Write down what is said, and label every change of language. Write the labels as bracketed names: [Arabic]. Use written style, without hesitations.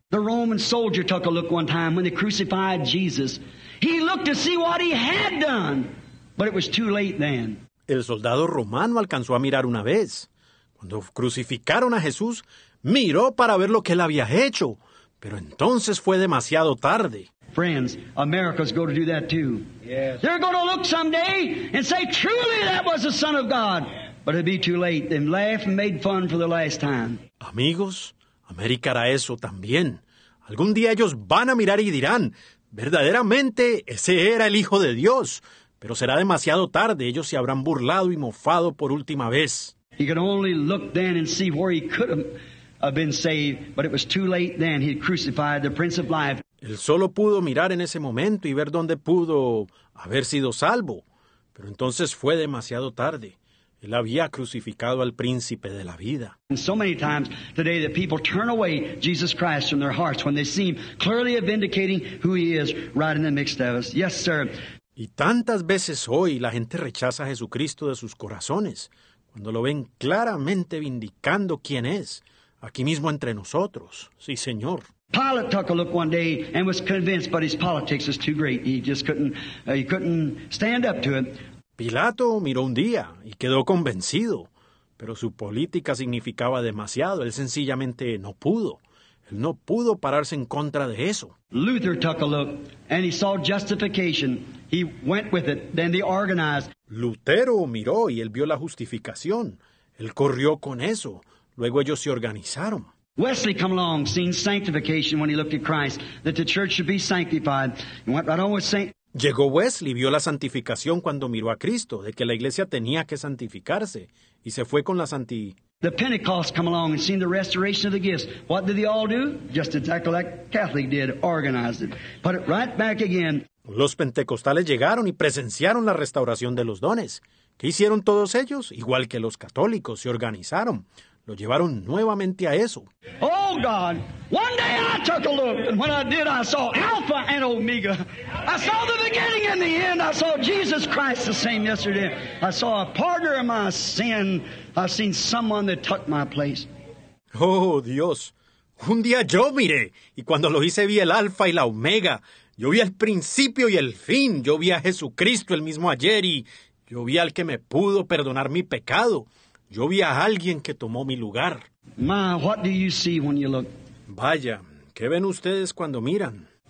[English] The Roman soldier took a look one time when they crucified Jesus. He looked to see what he had done. But it was too late then. [Spanish] El soldado romano alcanzó a mirar una vez. Cuando crucificaron a Jesús, miró para ver lo que él había hecho. Pero entonces fue demasiado tarde. [English] Friends, America's going to do that too. Yes. They're going to look someday and say, truly that was the Son of God. But it'd be too late. They laughed and made fun for the last time. [Spanish] Amigos, América hará eso también. Algún día ellos van a mirar y dirán, verdaderamente ese era el Hijo de Dios. Pero será demasiado tarde. Ellos se habrán burlado y mofado por última vez. [English] He could only look then and see where he could have been saved, but it was too late then. He crucified the Prince of Life. [Spanish] Él solo pudo mirar en ese momento y ver dónde pudo haber sido salvo. Pero entonces fue demasiado tarde. Él había crucificado al Príncipe de la Vida. [English] And so many times today that people turn away Jesus Christ from their hearts when they seem clearly vindicating who he is right in the midst of us. Yes, sir. [Spanish] Y tantas veces hoy la gente rechaza a Jesucristo de sus corazones cuando lo ven claramente vindicando quién es, aquí mismo entre nosotros. Sí, señor. [English] Pilate took a look one day and was convinced, but his politics was too great. He couldn't stand up to it. [Spanish] Pilato miró un día y quedó convencido, pero su política significaba demasiado. Él sencillamente no pudo. Él no pudo pararse en contra de eso. [English] Luther took a look and he saw justification. He went with it. Then they organized. [Spanish] Lutero miró y él vio la justificación. Él corrió con eso. Luego ellos se organizaron. [English] Wesley come along, seen sanctification when he looked at Christ, that the church should be sanctified. He went right on with saint. [Spanish] Llegó Wesley, vio la santificación cuando miró a Cristo, de que la iglesia tenía que santificarse, y se fue con la santi. [English] The Pentecost come along and seen the restoration of the gifts. What did they all do? Just exactly like Catholic did, organized it. Put it right back again. [Spanish] Los pentecostales llegaron y presenciaron la restauración de los dones. ¿Qué hicieron todos ellos? Igual que los católicos, se organizaron. Lo llevaron nuevamente a eso. [English] Oh, God, one day I took a look, and when I did, I saw Alpha and Omega. I saw the beginning and the end. I saw Jesus Christ the same yesterday. I saw a partner of my sin. I seen someone that took my place. [Spanish] Oh, Dios, un día yo miré, y cuando lo hice vi el Alpha y la Omega. Yo vi el principio y el fin. Yo vi a Jesucristo el mismo ayer, y yo vi al que me pudo perdonar mi pecado. Yo vi a alguien que tomó mi lugar. [English] Ma, what do you see when you look? [Spanish] Vaya, ¿qué ven ustedes cuando miran?